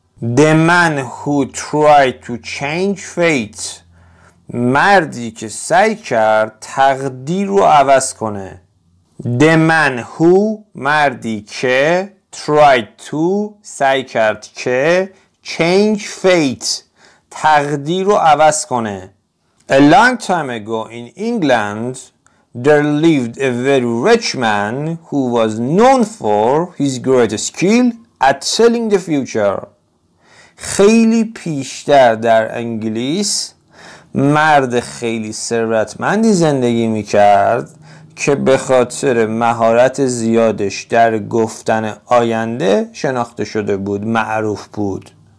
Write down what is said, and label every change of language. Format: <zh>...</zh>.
<en>The man who tried to change fate،</en> <fa>مردی که سعی کرد تقدیر رو عوض کنه.</fa> <en>The man who،</en> <fa>مردی که،</fa> <en>tried to،</en> <fa>سعی کرد که،</fa> <en>change fate،</en> <fa>تقدیر رو عوض کنه.</fa> <en>A long time ago in England there lived a very rich man who was known for his great skill at selling the future.</en> <fa>خیلی پیشتر در انگلیس مرد خیلی ثروتمندی زندگی میکرد که به خاطر مهارت زیادش در گفتن آینده شناخته شده بود، معروف بود.</fa>